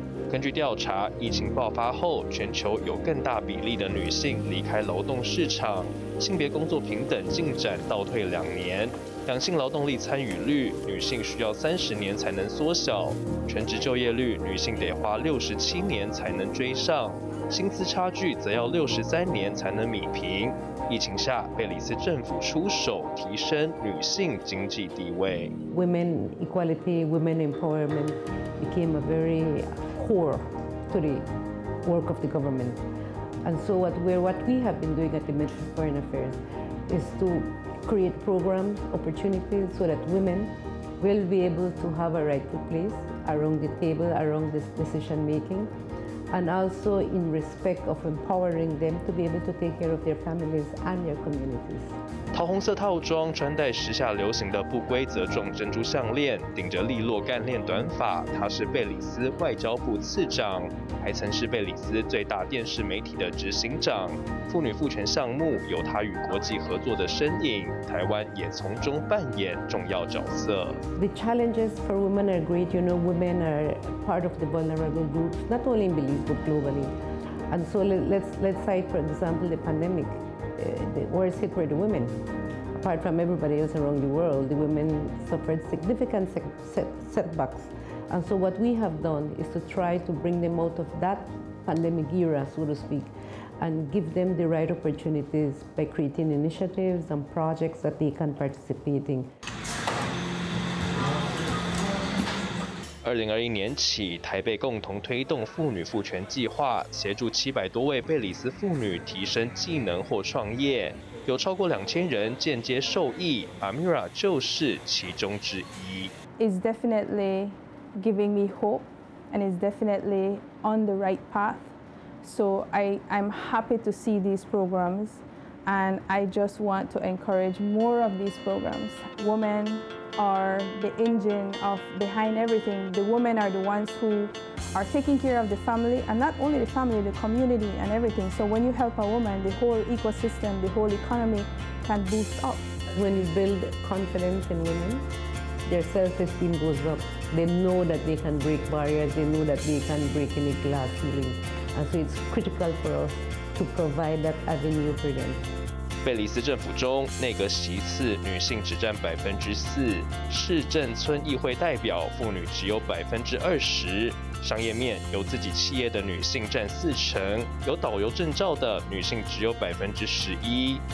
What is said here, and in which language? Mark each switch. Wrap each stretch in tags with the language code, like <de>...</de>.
<zh>根据调查，疫情爆发后，全球有更大比例的女性离开劳动市场，性别工作平等进展倒退两年，两性劳动力参与率女性需要30年才能缩小，全职就业率女性得花67年才能追上，薪资差距则要63年才能弥平。疫情下，贝里斯政府出手提升女性经济地位。</zh> <en>Women equality, women empowerment became a very core to the work of the government. And so what we have been doing at the Ministry of Foreign Affairs is to create programs, opportunities so that women will be able to have a rightful place around the table, around this decision making. And also in respect of empowering them to be able to take care of their families and their communities.</en> <zh>桃红色套装，穿戴时下流行的不规则状珍珠项链，顶着利落干练短发，她是贝里斯外交部次长，还曾是贝里斯最大电视媒体的执行长。妇女赋权项目有她与国际合作的身影，台湾也从中扮演重要角色。</zh> <en>The challenges for women are great. You know, women are part of the vulnerable groups, not only in Belize but globally. And so let's cite for example the pandemic. The worst hit were the women. Apart from everybody else around the world, the women suffered significant setbacks. And so what we have done is to try to bring them out of that pandemic era, so to speak, and give them the right opportunities by creating initiatives and projects that they can participate in.</en> <zh>2021年起，台北共同推动妇女赋权计划，协助700多位贝里斯妇女提升技能或创业，有超过2000人间接受益。 Amira 就是其中之一。</zh> <en>It's definitely giving me hope, and it's definitely on the right path. So I'm happy to see these programs, and I just want to encourage more of these programs. Women. Are the engine of behind everything. The women are the ones who are taking care of the family, and not only the family, the community and everything. So when you help a woman, the whole ecosystem, the whole economy can boost up. When you build confidence in women, their self-esteem goes up. They know that they can break barriers. They know that they can break any glass ceiling. And so it's critical for us to provide that avenue for them.</en> <zh>贝里斯政府中，内阁席次女性只占4%，市政村议会代表妇女只有20%。商业面有自己企业的女性占40%，有导游证照的女性只有11%。</zh>